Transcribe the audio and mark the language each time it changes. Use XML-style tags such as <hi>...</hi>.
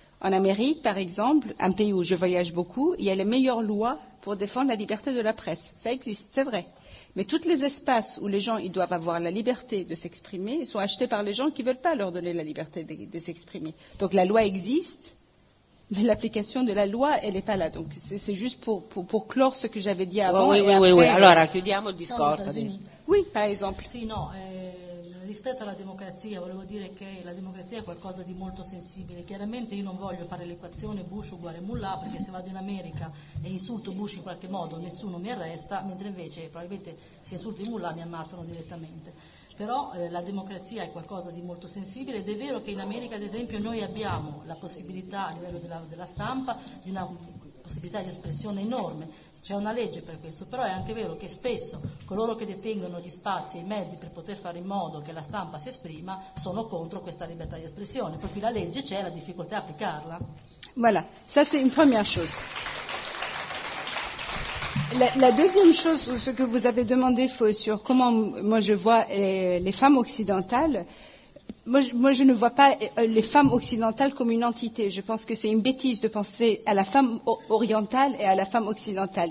<fr>En Amérique, par exemple, un pays où je voyage beaucoup, il y a les meilleures lois pour défendre la liberté de la presse. Ça existe, c'est vrai. Mais tous les espaces où les gens ils doivent avoir la liberté de s'exprimer sont achetés par les gens qui ne veulent pas leur donner la liberté de s'exprimer. Donc la loi existe, mais l'application de la loi, elle n'est pas là. Donc c'est juste pour clore ce que j'avais dit avant. Oui. Alors,</fr> <it>chiudiamo il discorso.</it> <fr>Oui, par exemple.</fr> <it>Sì, no, rispetto alla democrazia, volevo dire che la democrazia è qualcosa di molto sensibile. Chiaramente io non voglio fare l'equazione Bush uguale Mullah, perché se vado in America e insulto Bush in qualche modo nessuno mi arresta, mentre invece probabilmente se insulto i Mullah mi ammazzano direttamente. Però la democrazia è qualcosa di molto sensibile ed è vero che in America, ad esempio, noi abbiamo la possibilità a livello della stampa di una possibilità di espressione enorme. C'è una legge per questo, però è anche vero che spesso coloro che detengono gli spazi e i mezzi per poter fare in modo che la stampa si esprima sono contro questa libertà di espressione, per cui la legge c'è, la difficoltà è applicarla.</it> <fr>Voilà, ça c'est une première chose. La deuxième chose, ce que vous avez demandé sur comment moi je vois les femmes occidentales, moi je ne vois pas les femmes occidentales comme une entité. Je pense que c'est une bêtise de penser à la femme orientale et à la femme occidentale.</fr>